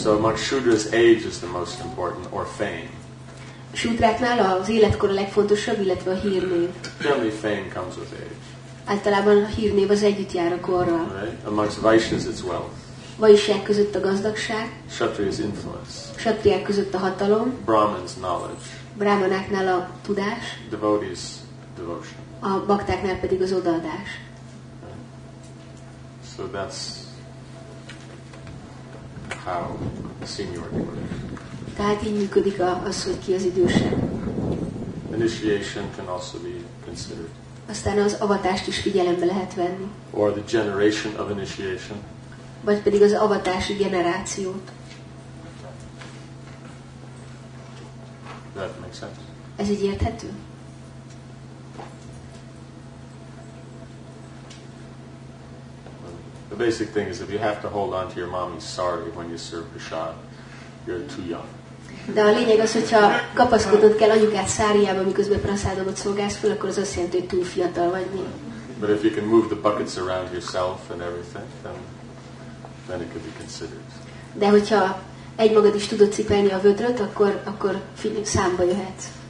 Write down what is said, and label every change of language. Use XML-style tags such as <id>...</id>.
<en>So among shudras, age is the most important, or fame.</en> <hu>Shudráknál az életkor a legfontosabb, illetve a hírnév.</hu> <en>Generally fame comes with age.</en> <hu>Általában a hírnév az együtt jár a korral.</hu> <en>Right. Amongst Vaishnavas it's wealth.</en> <hu>Vaishnavák között a gazdagság.</hu> <en>Kshatriyák influence.</en> <hu>Kshatriyák között a hatalom.</hu> <en>Brahmins knowledge.</en> <hu>Brahmanáknál a tudás.</hu> <en>Devotees devotion.</en> <hu>A baktáknál pedig az odaadás.</hu> <en>Right. So that's how seniority works.</en> <hu>Tehát így működik az, hogy ki az idősebb.</hu> <en>Initiation can also be considered.</en> <hu>Aztán az avatást is figyelembe lehet venni.</hu> <en>Or the generation of initiation.</en> <hu>Vagy pedig az avatási generációt.</hu> <en>That makes sense.</en> <hu>Ez így érthető?</hu> <en>The basic thing is if you have to hold on to your mommy's sari when you serve prasad, you're too young.</en> <hu>De a lényeg az, hogyha kapaszkodnod kell anyukád száriába, miközben prasádomot szolgálsz föl, akkor az azt jelenti, hogy túl fiatal vagy mi.</hu> <en>But if you can move the buckets around yourself and everything, then it could be considered.</en> <hu>De hogyha egymagad is tudod cipelni a vödröt, akkor számba jöhetsz.</hu>